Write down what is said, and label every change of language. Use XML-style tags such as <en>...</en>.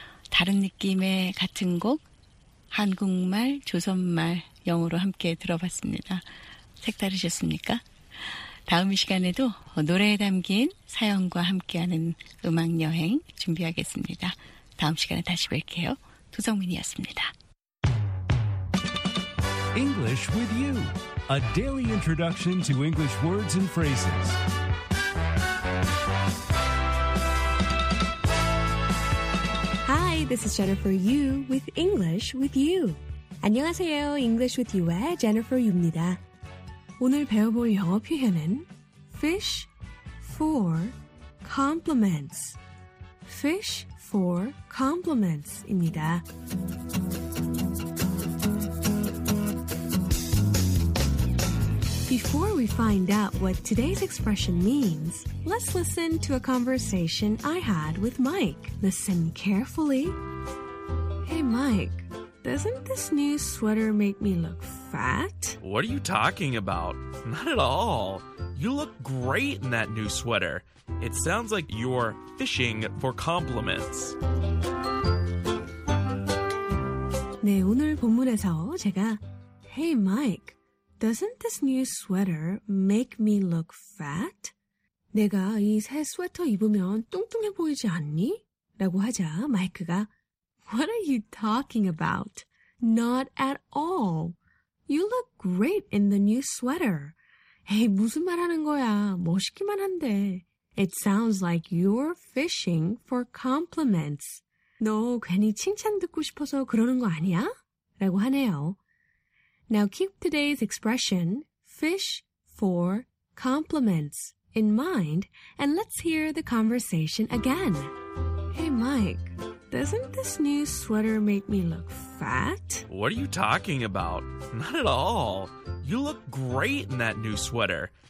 <ko>다른 느낌의 같은 곡 한국말, 조선말, 영어로 함께 들어봤습니다. 색다르셨습니까? 다음 시간에도 노래에 담긴 사연과 함께하는 음악여행 준비하겠습니다. 다음 시간에 다시 뵐게요. 도성민이었습니다.</ko> <en>English with you. A daily introduction to English words and phrases. This is Jennifer Yu with English with You.</en> <ko>안녕하세요.</ko> <en>English with You의 Jennifer Yu입니다.</en> <ko>오늘 배워볼 영어 표현은 fish for compliments. fish for compliments 입니다.</ko> <en>Before we find out what today's expression means, let's listen to a conversation I had with Mike. Listen carefully. Hey, Mike, doesn't this new sweater make me look fat? What are you talking about? Not at all. You look great in that new sweater. It sounds like you're fishing for compliments.</en> <ko>네, 오늘 본문에서 제가</ko> <en>Hey, Mike, Doesn't this new sweater make me look fat?</en> <ko>내가 이 새 스웨터 입으면 뚱뚱해 보이지 않니? 라고 하자 마이크가</ko> <en>What are you talking about? Not at all. You look great in the new sweater.</en> <ko>에이, 무슨 말 하는 거야? 멋있기만 한데.</ko> <en>It sounds like you're fishing for compliments.</en> <ko>너 괜히 칭찬 듣고 싶어서 그러는 거 아니야? 라고 하네요.</ko> <en>Now keep today's expression, fish for compliments, in mind, and let's hear the conversation again. Hey Mike, doesn't this new sweater make me look fat? What are you talking about? Not at all. You look great in that new sweater.</en>